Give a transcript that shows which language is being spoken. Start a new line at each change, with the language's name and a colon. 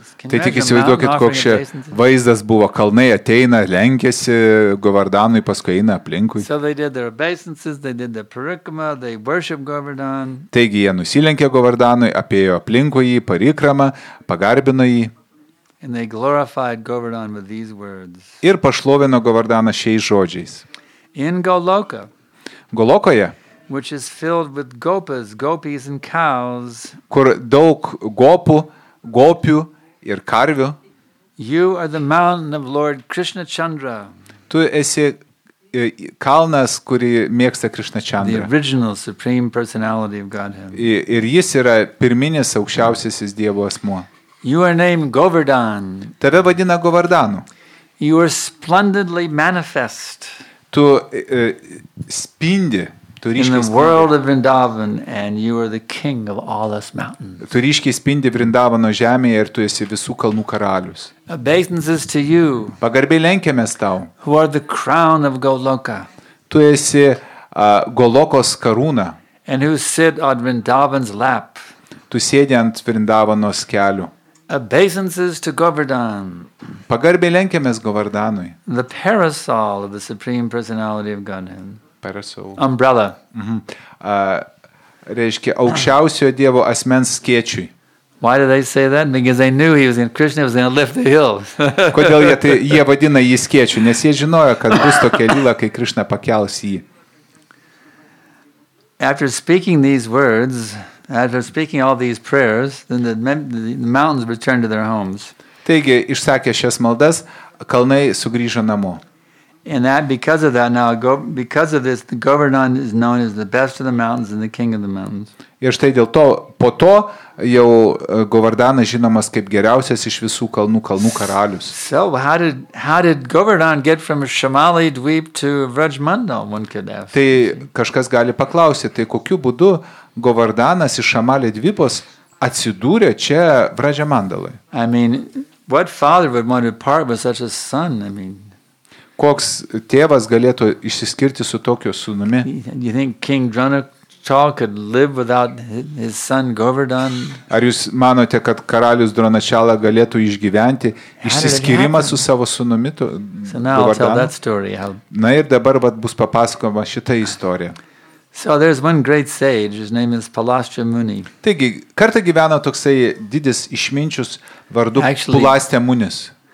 Lithuanian: Tai tik įsivaizduokit, koks čia vaizdas buvo. Kalnai ateina, lenkiasi Govardanui, paskui eina aplinkui. Taigi jie nusilenkė Govardanui, apėjo aplinkui jį, parikramą, pagarbino jį.
English: And they glorified Govardhan with these words.
Lithuanian: Ir pašlovino Govardhaną šiais žodžiais.
English: In Goloka.
Lithuanian: Golokoje.
English: Which is filled with gopas, gopis and cows.
Lithuanian: Kur daug gopų, gopių ir karvių.
English: You are the mountain of Lord Krishna Chandra.
Lithuanian: Tu esi kalnas, kurį mėgsta Krishna Chandra.
English: The original supreme personality of Godhead.
Lithuanian: Ir jis yra pirminis aukščiausiasis Dievo asmuo.
English: You are named Govardhan.
Lithuanian: Tave vadina Govardhanu.
English: You are splendidly manifest.
Lithuanian: Tu spindi, tu ryškiai spindi.
English: In the world of Vrindavan and you are the king of all those mountains.
Lithuanian: Tu ryškiai spindi Vrindavano žemėje ir tu esi visų kalnų karalius.
English: Obeisances to you.
Lithuanian: Pagarbiai lenkiamės tau.
English: Who are the crown of Goloka.
Lithuanian: Tu esi Golokos karūna.
English: And who sit on Vrindavan's lap.
Lithuanian: Tu sėdi ant Vrindavanos kelių.
English: Obeisances to Govardhan.
Lithuanian: Pagarbiai lenkiamės Govardhanui.
English: The parasol of the supreme personality of Godhead. Parasol. Umbrella. Mhm.
Lithuanian: Reiškia aukščiausiojo Dievo asmens skėčiui.
English: Why did they say that? Because they knew he was in Krishna was going to lift the hill.
Lithuanian: Kodėl jie vadina jį skėčiu, nes jie žinojo, kad bus tokia lyla, kai Krishna pakels jį.
English: After speaking these words, after speaking all these prayers, then the mountains returned to their homes.
Lithuanian: Taigi, išsakė šias maldas, kalnai sugrįžo namo.
English: And that, because of that, now because of this, the Govardhan is known as the best of the mountains and the king of the mountains.
Lithuanian: Ir štai dėl to, po to jau Govardhanas žinomas kaip geriausias iš visų kalnų, kalnų karalius.
English: So how did Govardhan get from Shamali Dweep to Vrajmandal, one could ask.
Lithuanian: Tai kažkas gali paklausti, tai kokiu būdu Govardhanas iš Šamali Dvipos atsidūrė čia Vrajamandalai.
English: I mean, what father would want to part with such a son? I mean,
Lithuanian: koks tėvas galėtų išsiskirti su tokio sūnumi? You think King Dronachal could live without his son Govardhan? Ar jūs manote, kad karalius Dronachala galėtų išgyventi išsiskirimą su savo sūnumi Govardhanu? Na ir dabar bus papasakoma šita istorija.
English: So there's one great sage, his name is Palastra Muni.
Lithuanian: Taigi, kartą gyveno toksai didis išminčius vardu Palastra Munis.